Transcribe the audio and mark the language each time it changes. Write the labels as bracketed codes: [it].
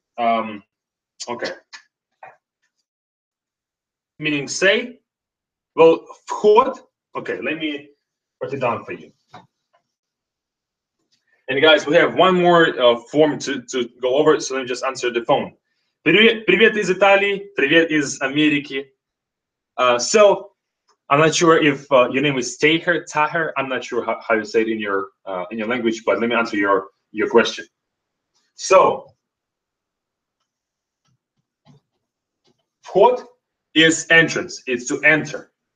[en] Okay. Meaning say? Well, вход. Okay, let me write it down for you. And guys, we have one more form to go over, so let me just answer the phone. [ru] Привет из Италии, привет из Америки. [en] So, I'm not sure if your name is Taher, Taher. I'm not sure how you say it in your language, but let me answer your question. So, вход is entrance, it's to enter.